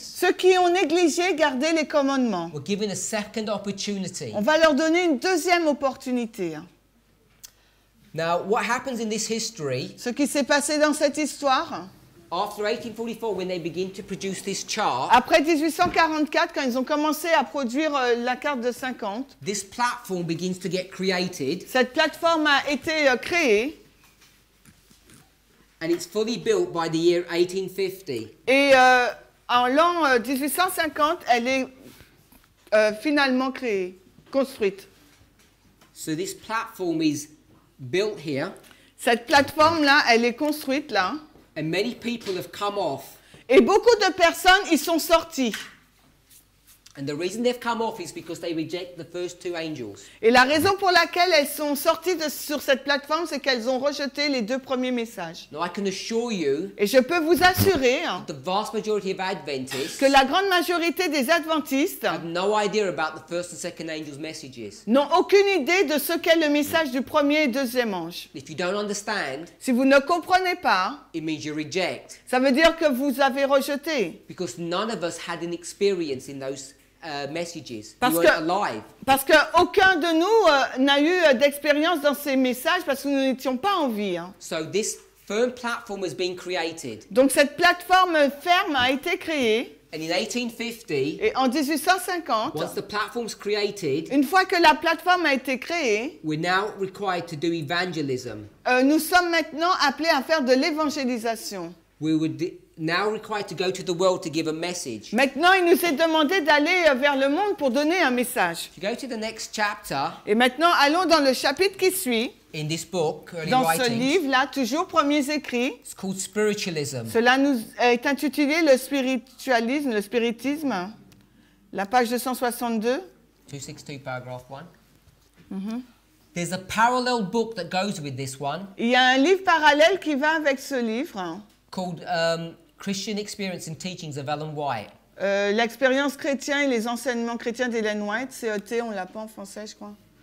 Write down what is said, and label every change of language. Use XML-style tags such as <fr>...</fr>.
<fr>Ceux qui ont négligé garder les commandements.</fr> <en>Were given a second opportunity.</en> <fr>On va leur donner une deuxième opportunité.</fr> <en>Now, what happens in this history?</en> <fr>Ce qui s'est passé dans cette histoire.</fr> <en>After 1844, when they begin to produce this chart.</en> <fr>Après 1844, quand ils ont commencé à produire la carte de 50.</fr> <en>This platform begins to get created.</en> <fr>Cette plateforme a été créée.</fr> <en>And it's fully built by the year 1850.</en> <fr>Et en l'an 1850, elle est finalement créée, construite.</fr> <en>So this platform is built here.</en> <fr>Cette plateforme là, elle est construite là.</fr> <en>And many people have come off.</en> <fr>Et beaucoup de personnes y sont sorties.</fr> <en>And the reason they've come off is because they reject the first two angels.</en> <fr>Et la raison pour laquelle elles sont sorties sur cette plateforme, c'est qu'elles ont rejeté les deux premiers messages.</fr> <en>Now I can assure you.</en> <fr>Et je peux vous assurer.</fr> <en>The vast majority of Adventists.</en> <fr>Que la grande majorité des Adventistes.</fr> <en>Have no idea about the first and second angels' messages.</en> <fr>N'ont aucune idée de ce qu'est le message du premier et deuxième ange.</fr> <en>If you don't understand.</en> <fr>Si vous ne comprenez pas.</fr> <en>It means you reject.</en> <fr>Ça veut dire que vous avez rejeté.</fr> <en>Because none of us had an experience in those. Messages.</en> <fr>Parce que aucun de nous n'a eu d'expérience dans ces messages parce que nous n'étions pas en vie. Hein.</fr> <en>So this firm platform has been created.</en> <fr>Donc cette plateforme ferme a été créée.</fr> <en>And in 1850.</en> <fr>Et en 1850.</fr> <en>Once the platform's created.</en> <fr>Une fois que la plateforme a été créée.</fr> <en>We're now required to do evangelism.</en> <fr>Nous sommes maintenant appelés à faire de l'évangélisation.</fr> <en>Now required to go to the world to give a message.</en> <fr>Maintenant, il nous est demandé d'aller vers le monde pour donner un message.</fr> <en>If you go to the next chapter.</en> <fr>Et maintenant, allons dans le chapitre qui suit.</fr> <en>In this book, early</en> <fr>dans</fr> <en>writings.</en> <fr>Dans ce livre là, toujours premiers écrits.</fr> <en>It's called spiritualism.</en> <fr>Cela nous est intitulé le spiritualisme, le spiritisme. La page 262.</fr> <en>262, paragraph 1. There's a parallel book that goes with this one.</en> <fr>Il y a un livre parallèle qui va avec ce livre.</fr> <en>Called Christian Experience and Teachings of Ellen White.</en> <fr>L'expérience chrétienne et les enseignements chrétiens d'Ellen White, CET, on l'a pas en français, je crois.</fr>